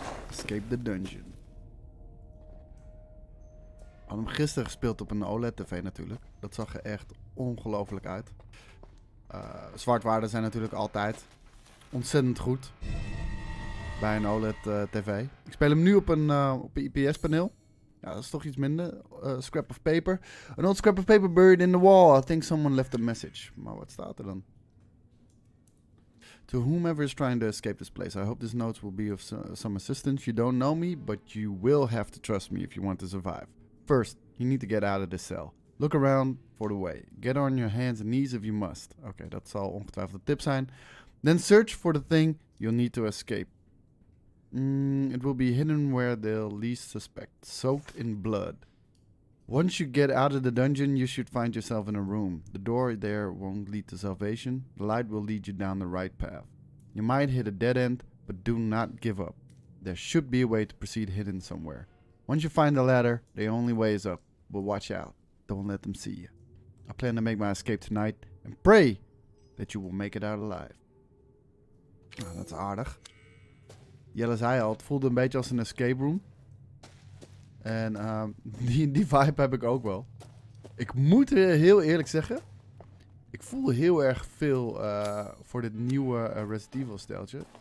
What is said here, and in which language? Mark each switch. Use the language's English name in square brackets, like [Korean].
[Dutch] Escape the Dungeon. We hadden hem gisteren gespeeld op een OLED-tv natuurlijk. Dat zag er echt ongelooflijk uit. Zwartwaarden zijn natuurlijk altijd ontzettend goed bij een OLED-tv. Ik speel hem nu op een IPS-paneel. Ja, dat is toch iets minder. [English] Scrap of paper. An old scrap of paper buried in the wall. I think someone left a message. [Dutch] Maar wat staat er dan? [English] To whomever is trying to escape this place, I hope this note will be of some assistance. You don't know me, but you will have to trust me if you want to survive. First, you need to get out of this cell. Look around for the way. Get on your hands and knees if you must. [Dutch] Okay, dat zal ongetwijfeld de tip zijn. [English] Then search for the thing you'll need to escape. It will be hidden where they'll least suspect, soaked in blood. Once you get out of the dungeon, you should find yourself in a room. The door there won't lead to salvation. The light will lead you down the right path. You might hit a dead end, but do not give up. There should be a way to proceed hidden somewhere. Once you find the ladder, the only way is up. But watch out. Don't let them see you. I plan to make my escape tonight and pray that you will make it out alive. [Dutch] Nou, dat is aardig. Jelle zei al, het voelde een beetje als een escape room. En die vibe heb ik ook wel. Ik moet heel eerlijk zeggen, ik voel heel erg veel voor dit nieuwe Resident Evil steltje.